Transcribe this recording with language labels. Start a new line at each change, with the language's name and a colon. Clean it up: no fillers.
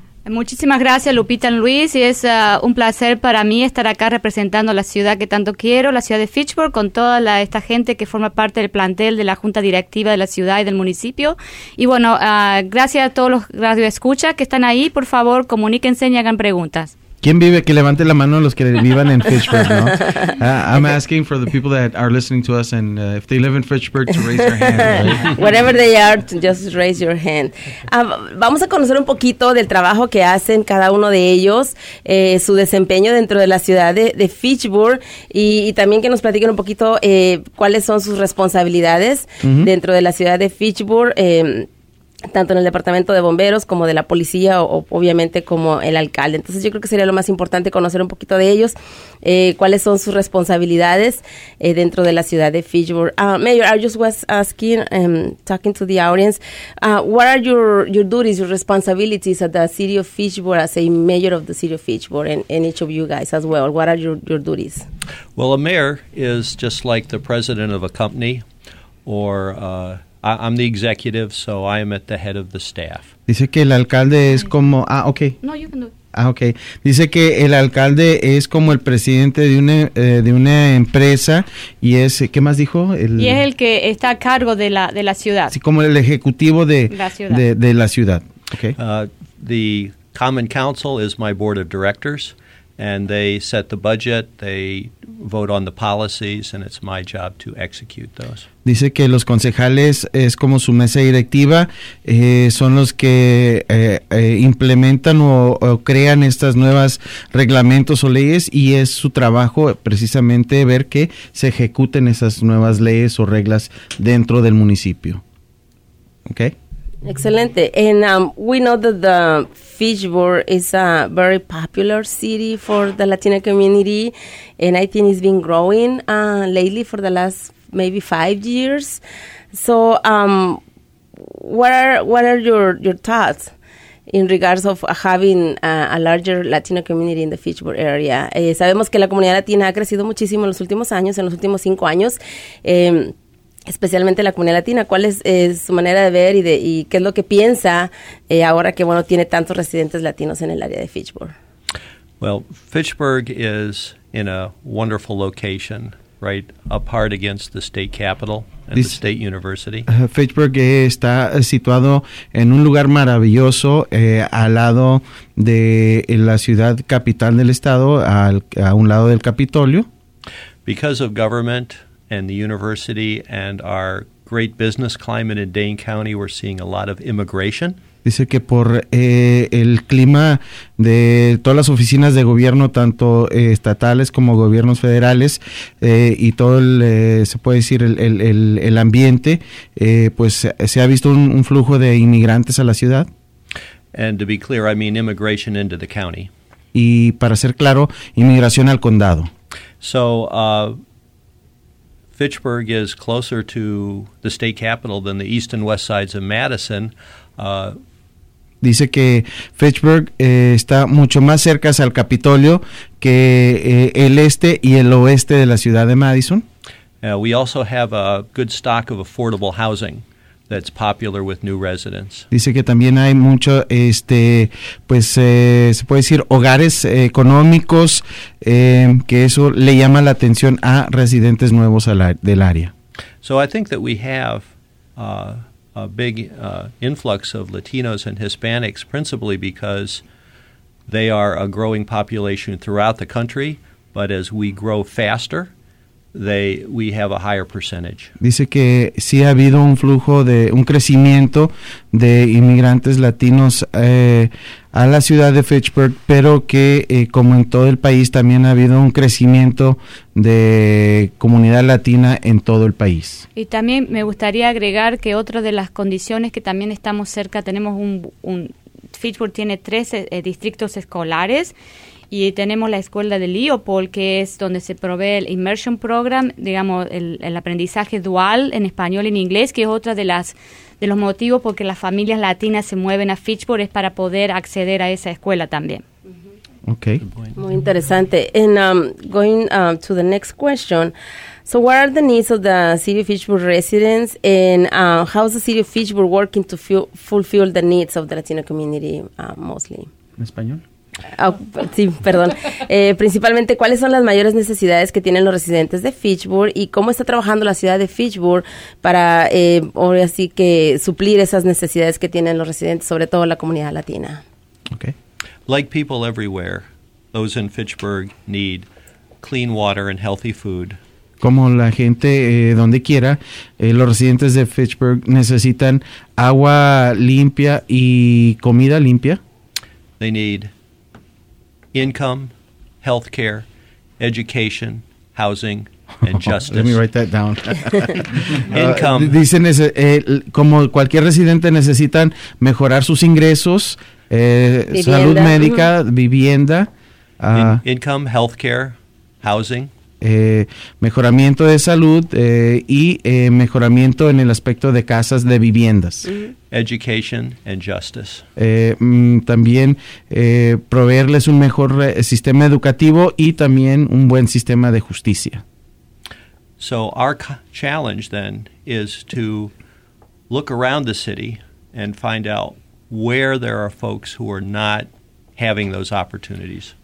Spanish: Muchísimas gracias, Lupita y Luis, y es un placer para mí estar acá representando a la ciudad que tanto quiero, la ciudad de Fitchburg, con toda esta gente que forma parte del plantel de la Junta Directiva de la ciudad y del municipio. Y bueno, gracias a todos los radioescuchas que están ahí, por favor, comuníquense y hagan preguntas. ¿Quién vive? Que levante la mano los que vivan en Fitchburg, ¿no?
English: I'm asking for the people that are listening to us and if they live in Fitchburg to raise their hand. Right? Whatever they are, just raise your hand.
Spanish: Vamos a conocer un poquito del trabajo que hacen cada uno de ellos, su desempeño dentro de la ciudad de Fitchburg y también que nos platiquen un poquito cuáles son sus responsabilidades dentro de la ciudad de Fitchburg, tanto en el departamento de bomberos como de la policía o obviamente como el alcalde. Entonces yo creo que sería lo más importante conocer un poquito de ellos, cuáles son sus responsabilidades dentro de la ciudad de Fitchburg.
English: Mayor, I just was asking, talking to the audience, what are your duties, your responsibilities at the city of Fitchburg as a mayor of the city of Fitchburg and each of you guys as well? What are your duties? Well, a mayor is just like the president of a company or... I'm the executive, so I am at the head of the staff.
Spanish: Dice que el alcalde es como... Ah, okay.
English: No, you can do it. Ah, okay.
Spanish: Dice que el alcalde es como el presidente de una empresa y es... ¿Qué más dijo? Y es el que está a cargo de la ciudad. Sí, como el ejecutivo de la ciudad. Okay.
English: The common council is my board of directors, and they set the budget, they vote on the policies, and it's my job to execute those.
Spanish: Dice que los concejales es como su mesa directiva, son los que implementan o crean estas nuevas reglamentos o leyes y es su trabajo precisamente ver que se ejecuten esas nuevas leyes o reglas dentro del municipio.
English: Okay.
Spanish: Excelente.
English: And we know that the Fitchburg is a very popular city for the Latino community, and I think it's been growing lately for the last maybe 5 years. So, what are your thoughts in regards of having a larger Latino community in the Fitchburg area?
Spanish: Sabemos que la comunidad latina ha crecido muchísimo en los últimos cinco años. Especialmente la comunidad latina, ¿cuál es su manera de ver y qué es lo que piensa ahora que, bueno, tiene tantos residentes latinos en el área de Fitchburg?
English: Well, Fitchburg is in a wonderful location, right apart against the state capital and the state university.
Spanish: Fitchburg está situado en un lugar maravilloso al lado de la ciudad capital del estado, a un lado del Capitolio.
English: Because of government and the university and our great business climate in Dane County, we're seeing a lot of immigration.
Spanish: Dice que por el clima de todas las oficinas de gobierno, tanto estatales como gobiernos federales, y todo el, se puede decir, el ambiente, pues se ha visto un flujo de inmigrantes a la ciudad.
English: And to be clear, I mean immigration into the county.
Spanish: Y para ser claro, inmigración al condado.
English: So, Fitchburg is closer to the state capital than the east and west sides of Madison.
Spanish: Dice que Fitchburg está mucho más cerca al Capitolio que el este y el oeste de la ciudad de Madison.
English: We also have a good stock of affordable housing that's popular with new residents.
Spanish: Dice que también hay mucho, se puede decir, hogares económicos, que eso le llama la atención a residentes nuevos del área.
English: So I think that we have a big influx of Latinos and Hispanics, principally because they are a growing population throughout the country, but as we grow faster, we have a higher percentage.
Spanish: Dice que sí ha habido un flujo de un crecimiento de inmigrantes latinos a la ciudad de Fitchburg, pero que como en todo el país también ha habido un crecimiento de comunidad latina en todo el país. Y también me gustaría agregar que otra de las condiciones que también estamos cerca, tenemos un Fitchburg tiene 13 distritos escolares. Y tenemos la escuela de Leopold, que es donde se provee el Immersion Program, digamos, el aprendizaje dual en español y en inglés, que es otra de los motivos porque las familias latinas se mueven a Fitchburg, es para poder acceder a esa escuela también.
English: Okay.
Spanish: Muy interesante.
English: And going to the next question. So what are the needs of the City of Fitchburg residents, and how is the City of Fitchburg working to fulfill the needs of the Latino community mostly?
Spanish: en español. Sí, perdón. Principalmente, ¿cuáles son las mayores necesidades que tienen los residentes de Fitchburg y cómo está trabajando la ciudad de Fitchburg para, ahora sí que, suplir esas necesidades que tienen los residentes, sobre todo la comunidad latina?
English: Okay. Like people everywhere, those in Fitchburg need clean water and healthy food.
Spanish: Como la gente donde quiera, los residentes de Fitchburg necesitan agua limpia y comida limpia.
English: They need income, health care, education, housing, and justice. Let me write that down. Income.
Spanish: Dicen, como cualquier residente, necesitan mejorar sus ingresos, salud médica, vivienda.
English: Income, health care, housing.
Spanish: Mejoramiento de salud y mejoramiento en el aspecto de casas, de viviendas.
English: Education and justice.
Spanish: Proveerles un mejor sistema educativo y también un buen sistema de justicia.
English: So our challenge then is to look around the city and find out where there are folks who are not having those opportunities.